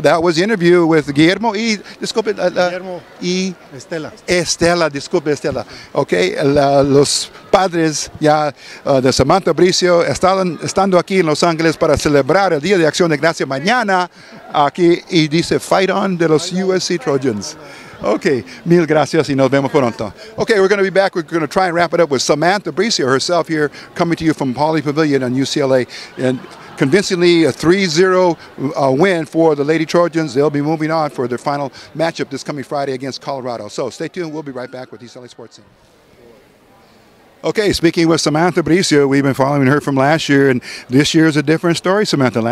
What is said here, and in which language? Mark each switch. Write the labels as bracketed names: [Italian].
[English] That was the interview with Guillermo [Spanish] y, disculpe, [English] Guillermo [Spanish] y Estela. Estela, disculpe, Estela. Ok, los padres ya de Samantha Bricio están aquí en Los Ángeles para celebrar el Día de Acción de Gracia mañana. aquí y dice [English] fight on [Spanish] de los USC Trojans. Okay, mil gracias y nos vemos pronto. Okay, [English] we're going to be back. We're going to try and wrap it up with Samantha Bricio herself here coming to you from Pauley Pavilion on UCLA. And convincingly, a 3-0 win for the Lady Trojans. They'll be moving on for their final matchup this coming Friday against Colorado. So stay tuned. We'll be right back with UCLA Sports Team. Okay, speaking with Samantha Bricio, we've been following her from last year, and this year is a different story, Samantha.